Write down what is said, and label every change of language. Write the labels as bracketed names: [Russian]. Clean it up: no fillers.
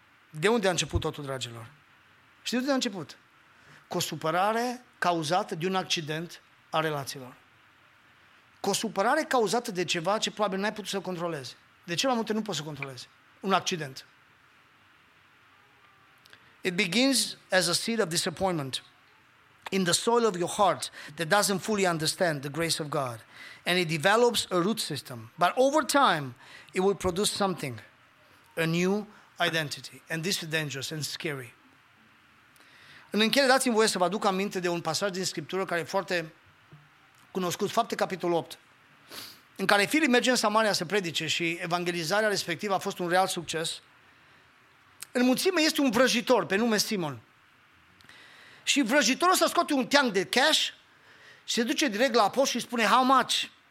[Romanian] De unde a început totul, dragilor? Știți de unde a început? Cu o supărare cauzată de un accident a relațiilor. Cu o supărare cauzată de ceva ce probabil n-ai putut să controlezi. De ce mai multe nu poți să controlezi? Un accident. [English] It begins as a seed of disappointment in the soil of your heart that doesn't fully understand the grace of God. And it develops a root system. But over time, it will produce something, a new identity. And this is dangerous and scary. [Romanian] În încheiere, dați-mi voie să vă aduc aminte de un pasaj din Scriptură care e foarte cunoscut, Fapte capitolul 8, în care Filip merge în Samaria să predice și evangelizarea respectivă a fost un real succes. În mulțime este un vrăjitor pe nume Simon. Și vrăjitorul ăsta scoate un teanc de cash și se duce direct la apost și spune, [English] how much?